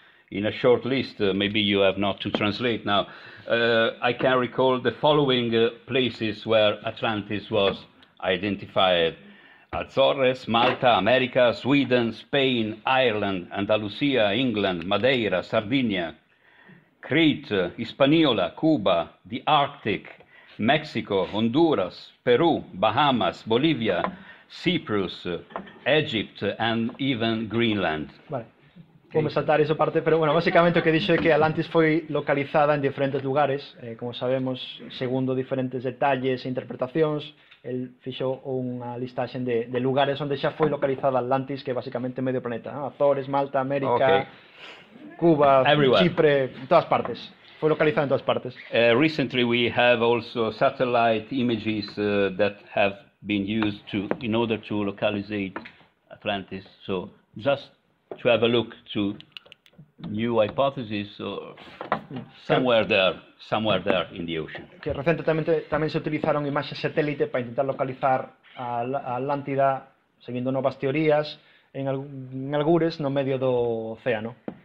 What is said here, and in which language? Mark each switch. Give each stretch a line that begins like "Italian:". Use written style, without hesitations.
English: In a short list, maybe you have not to translate now, I can recall the following places where Atlantis was identified: Azores, Malta, America, Sweden, Spain, Ireland, Andalusia, England, Madeira, Sardinia, Crete, Hispaniola, Cuba, the Arctic, Mexico, Honduras, Peru, Bahamas, Bolivia, Cyprus, Egypt, and even Greenland. Vale. Okay.
Galician: Vou saltar esa parte, pero bueno, básicamente o que dixo é que Atlantis foi localizada en diferentes lugares, como sabemos, segundo diferentes detalles e interpretacións, el fixou unha listaxe de lugares onde xa foi localizada Atlantis, que é basicamente medio planeta, ¿no? Azores, Malta, América, okay. Cuba,
English: everywhere.
Galician: Chipre, todas partes. Foi localizado en todas partes.
English: Recently we have also satellite images that have been used in order to localize Atlantis. So just to have a look to new hypotheses or somewhere there in the ocean.
Galician: Que recentemente tamén se utilizaron imaxes satélite para intentar localizar a Atlántida seguindo novas teorías en algures no medio do océano.